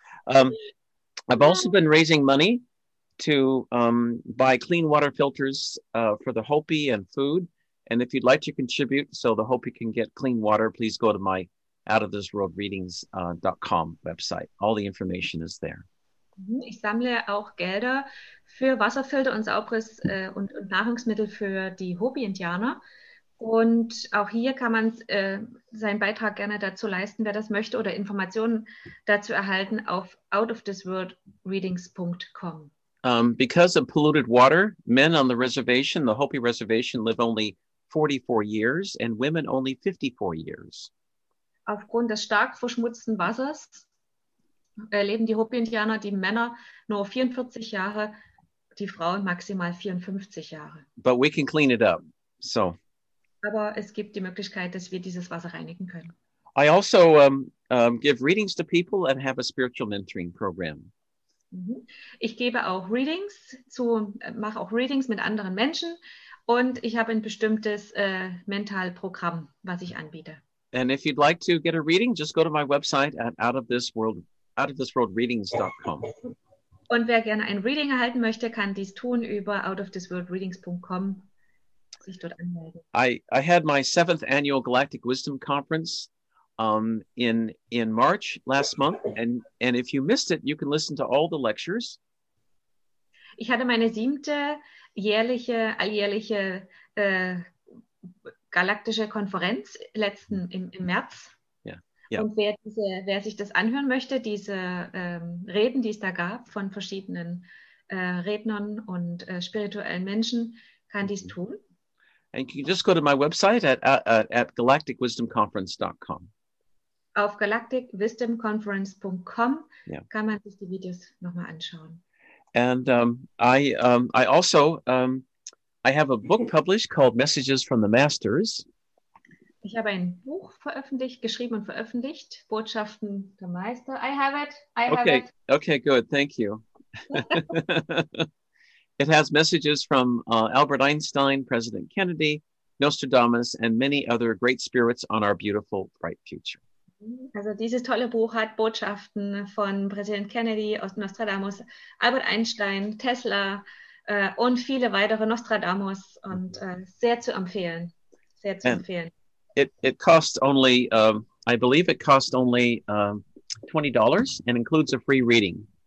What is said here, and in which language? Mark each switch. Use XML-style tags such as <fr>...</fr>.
<en>I've also been raising money to buy clean water filters for the Hopi and food. And if you'd like to contribute so the Hopi can get clean water, please go to my outofthisworldreadings.com website. All the information is there.</en> <de>Ich sammle auch Gelder für Wasserfilter und Saubres und Nahrungsmittel für die Hopi-Indianer. Und auch hier kann man seinen Beitrag gerne dazu leisten, wer das möchte, oder Informationen dazu erhalten auf outofthisworldreadings.com.</de> <en>Because of polluted water, men on the reservation, the Hopi reservation, live only 44 years and women only 54 years.</en> <de>Aufgrund des stark verschmutzten Wassers leben die Hopi-Indianer, die Männer, nur 44 Jahre, die Frauen maximal 54 Jahre.</de> <en>But we can clean it up, so.</en> <de>Aber es gibt die Möglichkeit, dass wir dieses Wasser reinigen können.</de> <en>I also give readings to people and have a spiritual mentoring program.</en> <de>Ich gebe auch Readings mache auch Readings mit anderen Menschen und ich habe ein bestimmtes Mentalprogramm, was ich anbiete.</de> <en>And if you'd like to get a reading, just go to my website at outofthisworldreadings.com.</en> <de>Und wer gerne ein Reading erhalten möchte, kann dies tun über outofthisworldreadings.com.</de> <en>I had my 7th annual Galactic Wisdom Conference in March last month, and if you missed it, you can listen to all the lectures.</en> <de>Ich hatte meine 7. alljährliche galaktische Konferenz im März.</de> <en>Yeah.</en> <de>Und wer sich das anhören möchte, diese Reden, die es da gab von verschiedenen Rednern und spirituellen Menschen, kann dies tun.</de> <en>And you can just go to my website at galacticwisdomconference.com.</en> <de>Auf galacticwisdomconference.com kann man sich die Videos nochmal anschauen.</de> <en>And I have a book published called Messages from the Masters.</en> <de>Ich habe ein Buch geschrieben und veröffentlicht, Botschaften der Meister.</de> <en>I have it. Okay, good. Thank you. It has messages from Albert Einstein, President Kennedy, Nostradamus, and many other great spirits on our beautiful, bright future. Also dieses tolle Buch hat Botschaften von Präsident Kennedy, aus Nostradamus, Albert Einstein, Tesla und viele weitere Nostradamus und sehr zu empfehlen. It costs only I believe it costs only $20 and includes a free reading.</en>